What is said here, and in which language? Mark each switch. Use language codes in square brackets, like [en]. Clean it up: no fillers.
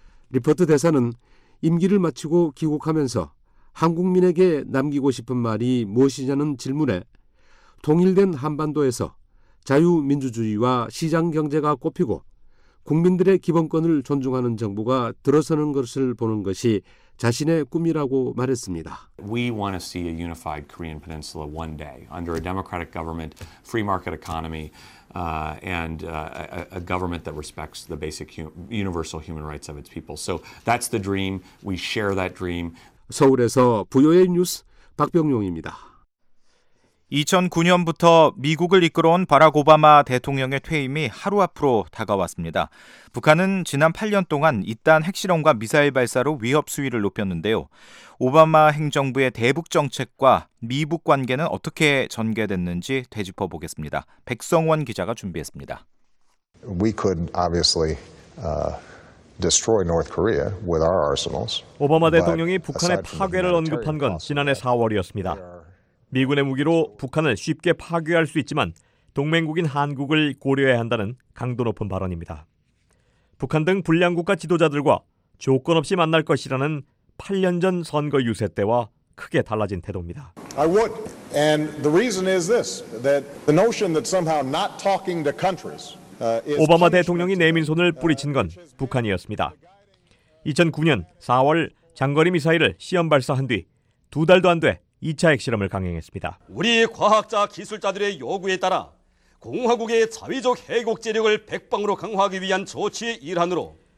[ko] 리퍼트 대사는 임기를 마치고 귀국하면서 한국민에게 남기고 싶은 말이 무엇이냐는 질문에 통일된 한반도에서 자유민주주의와 시장경제가 꽃피고 국민들의 기본권을 존중하는 정부가 들어서는 것을 보는 것이 자신의 꿈이라고 말했습니다. [en] We want to see a unified Korean peninsula one day under a democratic government, free market economy, and a government that respects the basic universal human rights of its people. So that's the dream. We share that dream. [ko] 서울에서 VOA 뉴스 박병용입니다. 2009년부터 미국을 이끌어온 바락 오바마 대통령의 퇴임이 하루 앞으로 다가왔습니다. 북한은 지난 8년 동안 잇단 핵실험과 미사일 발사로 위협 수위를 높였는데요. 오바마 행정부의 대북 정책과 미북 관계는 어떻게 전개됐는지 되짚어보겠습니다. 백성원 기자가 준비했습니다. [en] We could obviously destroy North Korea with our arsenals. [ko] 오바마 대통령이 북한의 파괴를 언급한 건 지난해 4월이었습니다. 미군의 무기로 북한을 쉽게 파괴할 수 있지만 동맹국인 한국을 고려해야 한다는 강도 높은 발언입니다. 북한 등 불량국가 지도자들과 조건 없이 만날 것이라는 8년 전 선거 유세 때와 크게 달라진 태도입니다. [en] I would. And the reason is this, that the notion that somehow not talking to countries [ko] 오바마 대통령이 내민 손을 뿌리친 건 북한이었습니다. 2009년 4월 장거리 미사일을 시험 발사한 뒤 두 달도 안 돼 2차 핵실험을 강행했습니다. 우리 과학자 기술자들의 요구에 따라 공화국의 자위적 해국 제력을 백방으로 강화하기 위한 조치의 일환으로